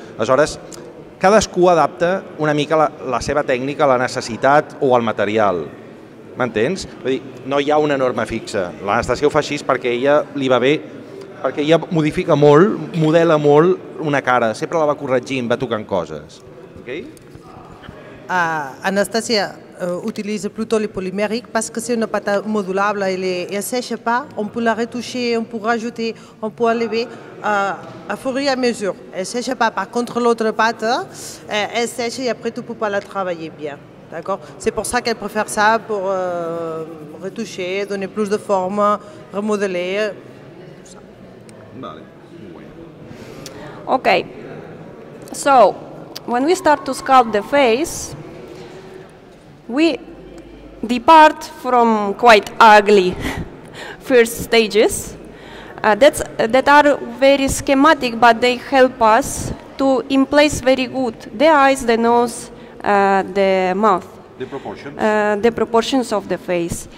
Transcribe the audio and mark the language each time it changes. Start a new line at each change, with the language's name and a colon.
Catalan: Aleshores, cadascú adapta una mica la seva tècnica a la necessitat o al material. M'entens? Vull dir, no hi ha una norma fixa. L'Anastasia ho fa així perquè ella li va bé, perquè ella modifica molt, modela molt una cara, sempre la va corregint, va tocant coses.
English: Okay?
French: Anastasia utilitza plutôt le polymérique parce que c'est une pâte modulable, elle ne sèche pas, on peut la retoucher, on peut rajouter, on peut enlever à fur et à mesure. Elle ne sèche pas, par contre l'autre pâte, elle sèche et après tu ne peux pas la travailler bien. D'accord? C'est pour ça qu'elle préfère ça, pour retoucher, donner plus de forme, remodeler.
English: Ok, so when we start to sculpt the face, we depart from quite ugly first stages that are very schematic, but they help us to in place very good the eyes, the nose, the mouth, the proportions of the face.